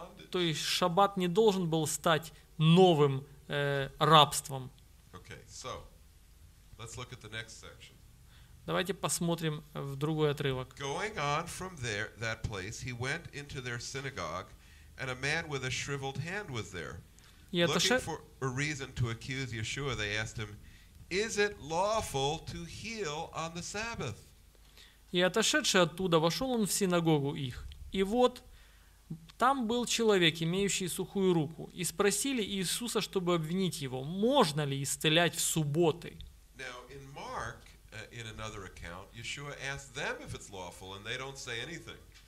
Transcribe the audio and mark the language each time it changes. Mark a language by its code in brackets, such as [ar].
[ru] То есть Шаббат не должен был стать новым рабством. [en] Okay, so, let's look at the next section. [ru] Давайте посмотрим в другой отрывок. [en] Going on from there, that place, he went into their synagogue, and a man with a shriveled hand was there. For a reason to accuse Yeshua, they asked him, "Is it lawful to heal on the Sabbath?" [ru] И отошедший оттуда вошел он в синагогу их, и вот там был человек, имеющий сухую руку, и спросили Иисуса, чтобы обвинить его, можно ли исцелять в субботы. [en] Now, in Mark, in another account, Yeshua asked them if it's lawful, and they don't say anything.